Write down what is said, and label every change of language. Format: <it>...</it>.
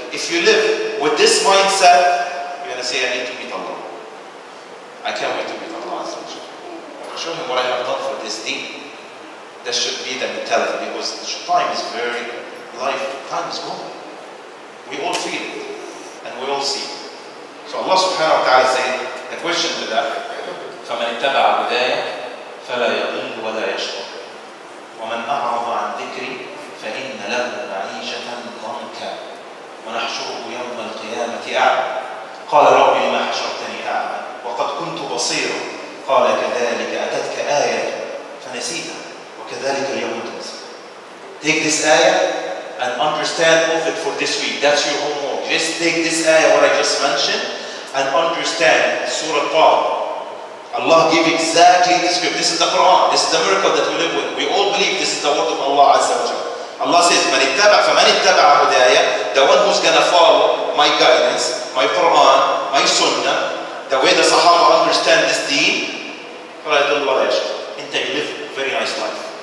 <en>If you live with this mindset, you're gonna say, I need to meet Allah. I can't wait to meet Allah Azza wa Jalla. Show him what I have done for this deen. That should be the mentality, because time is very, life, time is gone. We all feel it and we all see it. So Allah subhanahu wa ta'ala saying the question to that,</en> <ar>فَمَنْ اتَّبَعَ هُدَايَ فَلَا يَضِلُّ وَلَا يَشْقَى وَمَنْ أَعْرَضَ عَنْ ذِكْرِي فَإِنَّ لَهُ مَعِيشَةً ضَنكًا وَنَحْشُرُهُ يَوْمَ الْقِيَامَةِ أَعْمَى قَالَ رَبِّ لِمَ حَشَرْتَنِي أَعْمَى وَقَدْ كُنْتُ بَصِيرًا قَالَ كَذَلِكَ أَتَتْكَ آيَةٌ فَنَسِيتَهَا وَكَذَلِكَ الْيَوْمَ تُنْسَى.</ar> <en>Take this ayah and understand of it for this week. That's your homework. Just take this ayah, what I just mentioned, and understand Surah Taha. Allah gave exactly the script. This is the Quran. This is the miracle that we live with. We all believe this is the word of Allah Azza wa Jalla. Allah says,</en> <ar>"Man ittaba' fa man ittaba' hudaya,"</ar> <en>the one who's gonna follow my guidance, my Quran, my Sunnah, the way the Sahaba understand this deen, and you live a very nice life.</en>